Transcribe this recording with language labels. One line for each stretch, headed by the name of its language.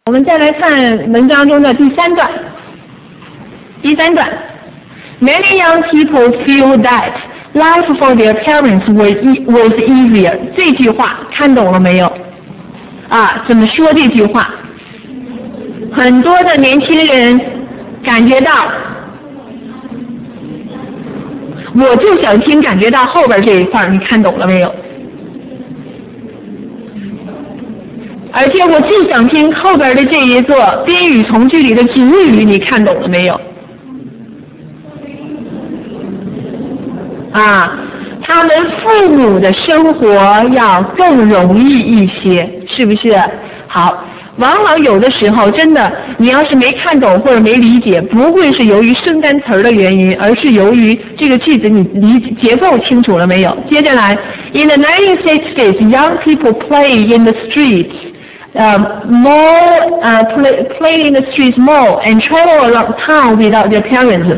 Chinese: 我们再来看文章中的第三段。
English: 第三段 ，Many young people feel that life for their parents was easier。
Chinese: 这句话看懂了没有？啊，怎么说这句话？很多的年轻人感觉到，我就想听感觉到后边这一块，你看懂了没有？而且我就想听后边的这一座宾语从句里的主语，你看懂了没有？啊，他们父母的生活要更容易一些，是不是？好，往往有的时候真的你要是没看懂或者没理解，不会是由于生单词的原因，而是由于这个句子你理解结构清楚了没有。
English: 接下来 In the United States, young people play in the streetsplay in the streets more and travel around town without their parents.